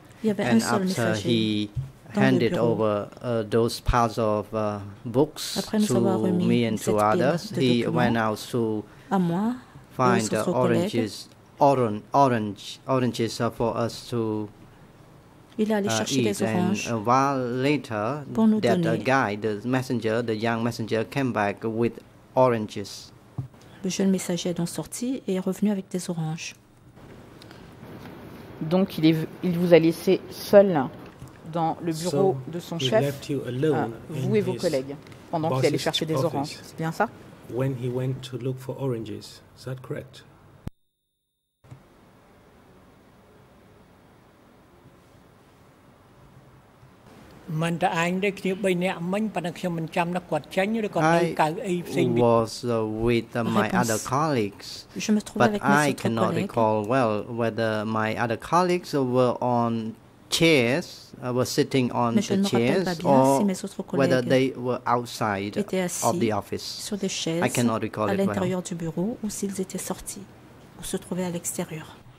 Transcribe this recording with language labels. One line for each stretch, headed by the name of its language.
English: And after he handed over those piles of books to me and to others, he went out to find oranges for us to
French: Il est allé chercher des oranges.
English: And a while later,
French: pour nous
English: that
French: donner.
English: Guy, the messenger, the young messenger, came back with oranges.
French: Le jeune messager est donc sorti et est revenu avec des oranges. Donc il vous a laissé seul dans le bureau de son chef, vous et vos collègues, pendant qu'il allait chercher des oranges. C'est bien ça?
English: When he went to look for oranges, is that correct? I was with my other colleagues, but I cannot recall well whether my other colleagues were on chairs, were sitting on the chairs, or whether they were outside of the office. I cannot recall it well.
French: Du bureau, ou s'ils étaient sortis, ou se trouvaient à l'extérieur.